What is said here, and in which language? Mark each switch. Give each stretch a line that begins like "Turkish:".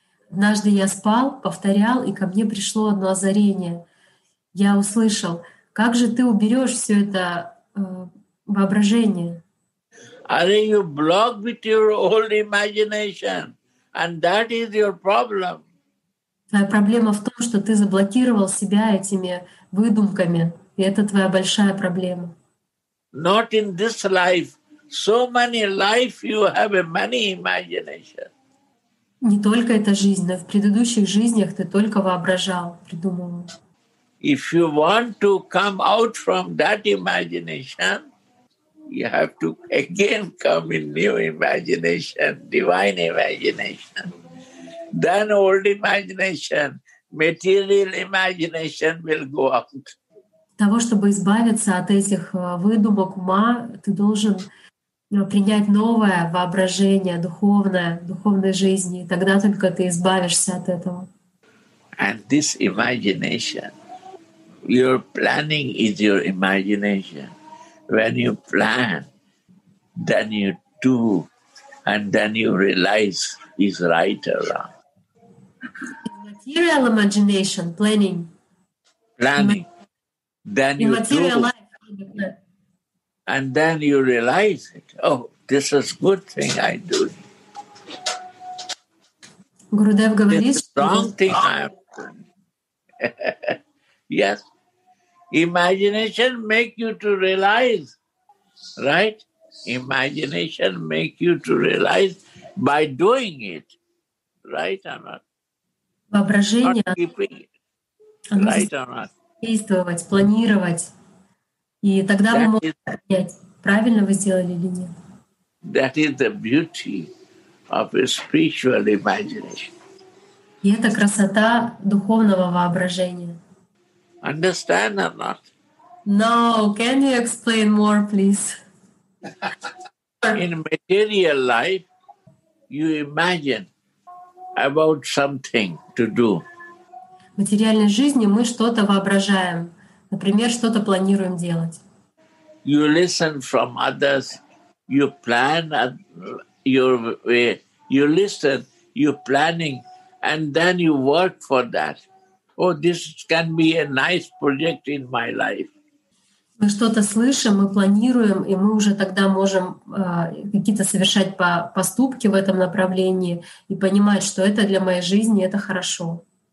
Russian: Однажды я спал, повторял, и ко мне пришло одно озарение. Я услышал... Как же ты уберешь все это воображение?
English: Are you blocked with your old imagination, and that is your problem?
Russian: Твоя проблема в том, что ты заблокировал себя этими выдумками, и это твоя большая проблема.
English: Not in this life. So many life you have many imagination.
Russian: Не только эта жизнь, но в предыдущих жизнях ты только воображал, придумывал.
English: If you want to come out from that imagination, you have to again come in new imagination, divine imagination. Then old imagination, material imagination will go out.
Russian: Для того, чтобы избавиться от этих выдумок ума, ты должен принять новое воображение, духовное, духовной жизни. Тогда только ты избавишься от этого.
English: And this imagination, your planning is your imagination. When you plan, then you do, and then you realize is right or wrong. Material imagination, planning. Planning. Then you do. And then you realize it. Oh, this is good thing I do.
Russian: Gurudev говорит,
English: this is wrong thing I am doing. Yes. Imagination make you to realize, right? Imagination make you to realize by doing it, right or not?
Russian: Воображение.
English: Not keeping it, right or not?
Russian: Действовать, планировать, и тогда мы можем понять, правильно вы сделали или нет.
English: That is the beauty of a spiritual imagination.
Russian: И это красота духовного воображения.
English: Understand or not? No. Can you explain more, please? In material life, you imagine about something to do.
Russian: В материальной жизни мы что-то воображаем. Например, что-то планируем делать.
English: You listen from others. You plan your way. You listen. You planning, and then you work for that. Oh, this can be a nice project in my life.
Russian: Мы что-то слышим, мы планируем, и мы уже тогда можем какие-то совершать поступки в этом направлении и понимать, что это для моей жизни, это хорошо.